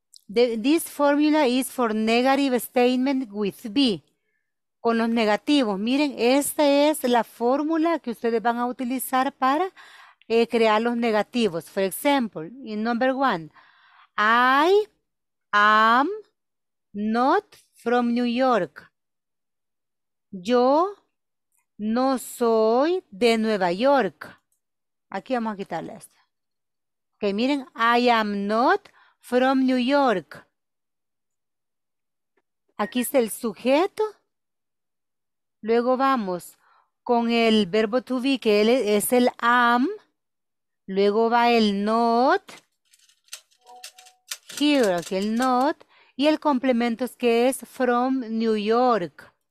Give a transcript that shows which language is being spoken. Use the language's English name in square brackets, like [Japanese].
[English] This formula is for negative statement with be. [Spanish] Con los negativos. Miren, esta es la fórmula que ustedes van a utilizar para crear los negativos. [English] For example, in number one, I am not from New York. [Spanish] Yo no soy de Nueva York. Aquí vamos a quitarle esto. [English] Ok, [Spanish] miren, [English] I am not from New York. [Spanish] Aquí está el sujeto. Luego vamos con el verbo to be, que es el am. Luego va el not. [English] Here, [Spanish] aquí el not. Y el complemento es que es from New York.